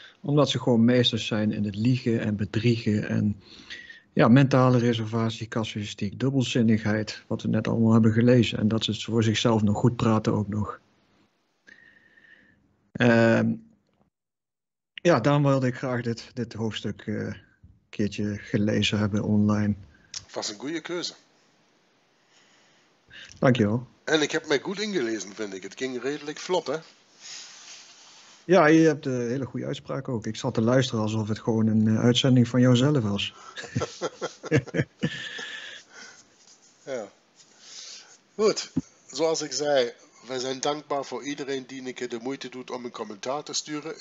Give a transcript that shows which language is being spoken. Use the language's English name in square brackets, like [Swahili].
[Dutch] Omdat ze gewoon meesters zijn in het liegen en bedriegen en ja, mentale reservatie, casuïstiek, dubbelzinnigheid, wat we net allemaal hebben gelezen. En dat ze voor zichzelf nog goed praten ook nog. Ja, daarom wilde ik graag dit hoofdstuk een keertje gelezen hebben online. [German] Was eine gute Köse. Danke. Und ich habe mich gut eingelesen, finde ich. Es ging redlich flott, hè? [Dutch] Ja, je hebt een hele goede uitspraak ook. Ik zat te luisteren alsof het gewoon een uitzending van jouzelf was. Gut, zoals ik zei, wij zijn dankbaar voor iedereen die een keer de moeite doet om een commentaar te sturen.